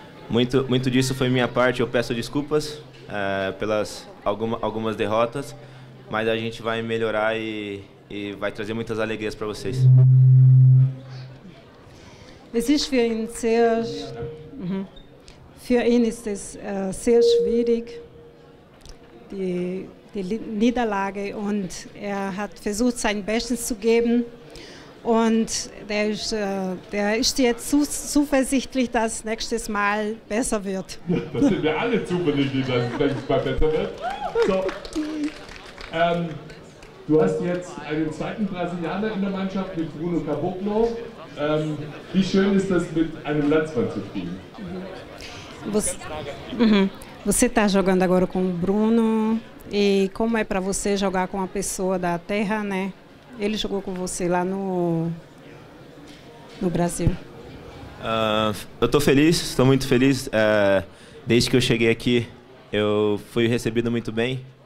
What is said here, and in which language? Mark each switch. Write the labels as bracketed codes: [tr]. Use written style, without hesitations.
[pt] Muito disso foi minha parte. Eu peço desculpas pelas algumas derrotas, mas a gente vai melhorar e vai trazer muitas alegrias para vocês. [de] Es ist für ihn ist es sehr schwierig, die Niederlage, und er hat versucht, sein Bestes zu geben. Und der ist jetzt zuversichtlich, dass es nächstes Mal besser wird. Das sind wir alle zuversichtlich, dass es nächstes Mal besser wird. So, du hast jetzt einen zweiten Brasilianer in der Mannschaft mit Bruno Caboclo. Wie schön ist das, mit einem Landsmann zu spielen? [pt] Você está jogando agora com o Bruno. E como é para você jogar com uma pessoa da terra, né? Ele jogou com você lá no Brasil. Eu estou feliz, estou muito feliz. Desde que eu cheguei aqui, eu fui recebido muito bem.